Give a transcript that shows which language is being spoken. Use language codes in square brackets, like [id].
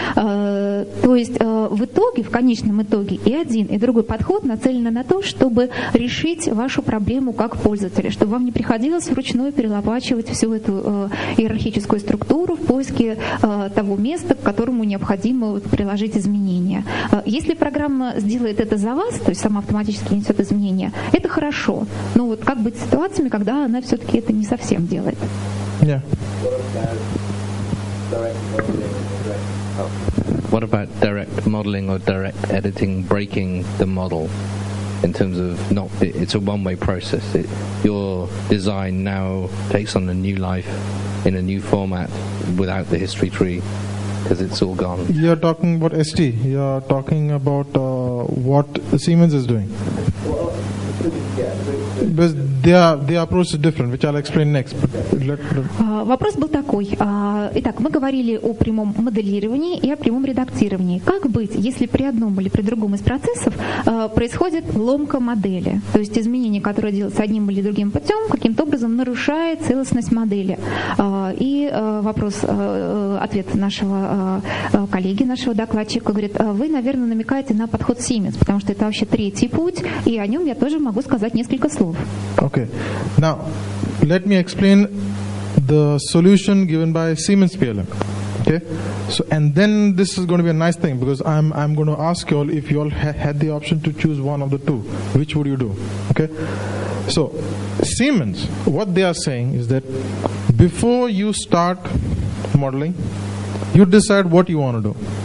[ru] То есть в итоге, в конечном итоге, и один, и другой подход нацелены на то, чтобы решить вашу проблему как пользователя, чтобы вам не приходилось вручную перелопачивать всю эту иерархическую структуру в поиске того места, к которому необходимо приложить изменения. Если программа сделает это за вас, то есть сама автоматически несет изменения, это хорошо. Но вот как быть с ситуациями, когда она все-таки это не совсем делает? [en] What about direct modeling or direct editing, breaking the model in terms of not, it's a one-way process. Your design now takes on a new life in a new format without the history tree because it's all gone. You're talking about ST. You're talking about what Siemens is doing. Because their approach is different, which I'll explain next. But [ru] вопрос был такой. Итак, мы говорили о прямом моделировании и о прямом редактировании. Как быть, если при одном или при другом из процессов происходит ломка модели? То есть изменение, которое делается одним или другим путем, каким-то образом нарушает целостность модели. И вопрос, ответ нашего коллеги, нашего докладчика, говорит, вы, наверное, намекаете на подход Siemens, потому что это вообще третий путь, и о нем я тоже могу сказать несколько слов. [en] Okay. Now, let me explain the solution given by Siemens PLM. Okay? So, and then this is going to be a nice thing because I'm going to ask you all if you all had the option to choose one of the two, which would you do? Okay? So, Siemens, what they are saying is that before you start modeling, you decide what you want to do.